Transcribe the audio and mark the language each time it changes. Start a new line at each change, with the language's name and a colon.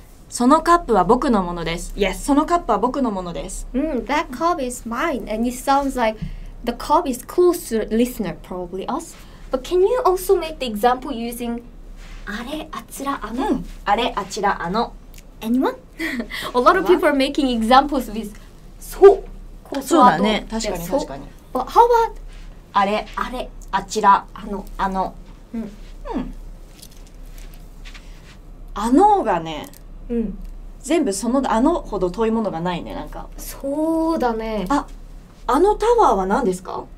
Japanese: そのカップは僕のものです。
English: Yes,
Japanese: そのカップは僕のものです。
English: That cup is mine, and it sounds like the cup is close to the listener, probably us. But can you also make the example using あれ、あちら、あの。
Japanese: あれ、あちら、あの。
English: Anyone? A lot of people are making examples with そう、
Japanese: こう、そうだね。確かに、確かに。
English: But how about...
Japanese: あれあれあちらあのあのあのがね、全部そのあのほど遠いものがないねなんかそうだねああのタワーは何ですか